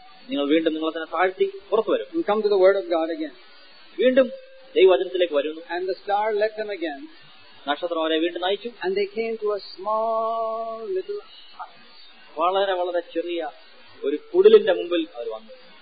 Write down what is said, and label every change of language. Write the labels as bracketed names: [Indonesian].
[Malayalam] നിങ്ങൾ വീണ്ടും നിങ്ങളെ തന്നെ താഴ്ത്തി പുറത്തു വരും. [English] And come to the word of God again. [Malayalam] വീണ്ടും ദൈവവചനത്തിലേക്ക് വരുന്നു. [English] And the star led them again. [Malayalam] നക്ഷത്രം അവരെ വീണ്ടും നയിച്ചു. [English] And they came to a small little [Malayalam] വളരെ വളരെ ചെറിയ ഒരു കുടിലിന്റെ മുമ്പിൽ അവർ വന്നു.